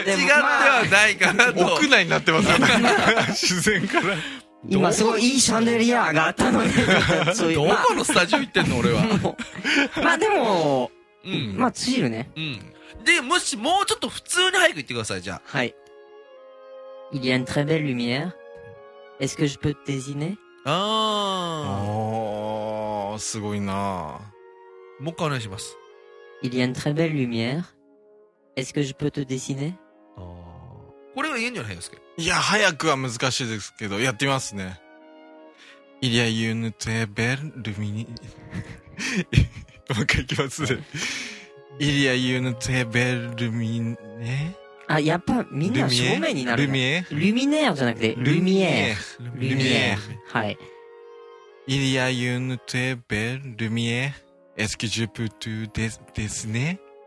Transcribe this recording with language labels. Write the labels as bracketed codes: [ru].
[ja] 間違ってはないかなと。屋内になってますよね。自然から。今すごいいいシャンデリアがあったのに、そういう。どこのスタジオ行ってんの俺は。まあでも、うん、まあ、ついるね、うん。で、もしもうちょっと普通に早く言ってください、じゃあ。はい。 [fr] Il y a une très belle lumière. Est-ce que je peux te dessiner? [ja] ああ、すごいな。もう一回お願いします。 [fr] Il y a une très belle lumière. Est-ce que je peux te dessiner? [ja] これは言えんじゃないですか。いや、早くは難しいですけど、やってみますね。 [fr] Il y a une très belle lumière. [ja] もう一回いきます。 [fr] Il y a une très belle lumière. [ja] あ、やっぱみんな正面になるね。ルミエール？ルミネアじゃなくて、ルミエール。ルミエール。はい。 [fr] Il y a une très belle lumière. Est-ce que je peux te dessiner?